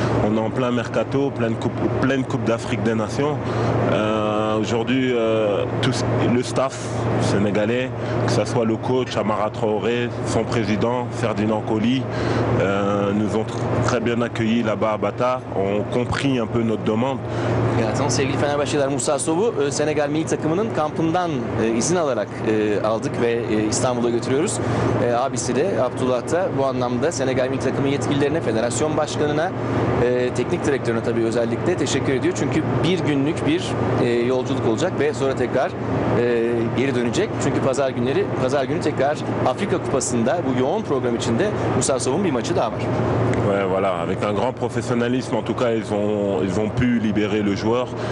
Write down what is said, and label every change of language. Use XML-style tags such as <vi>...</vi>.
<fr>On est en plein mercato, pleine coupe d'Afrique des Nations. Aujourd'hui, tout le staff sénégalais, que ce soit le coach Amara Traoré, son président Ferdinand Colly, nous ont très bien accueillis là-bas à Bata, ont compris un peu notre demande.</fr> <tr>Attends, sevgili Fenerbahçeliler, Moussa Sow'u Senegal milli takımının kampından izin alarak aldık ve İstanbul'a götürüyoruz. Abisi de Abdullah da bu anlamda Senegal milli takımı yetkililerine, federasyon başkanına, teknik direktörüne tabii özellikle teşekkür ediyor. Çünkü bir günlük bir yolculuk olacak ve sonra tekrar geri dönecek. Çünkü pazar günü tekrar Afrika Kupası'nda bu yoğun program içinde Moussa Sow'un bir maçı daha var.</tr> <fr>Ouais, voilà, avec un grand professionnalisme, en tout cas, ils ont pu libérer le joueur.</fr>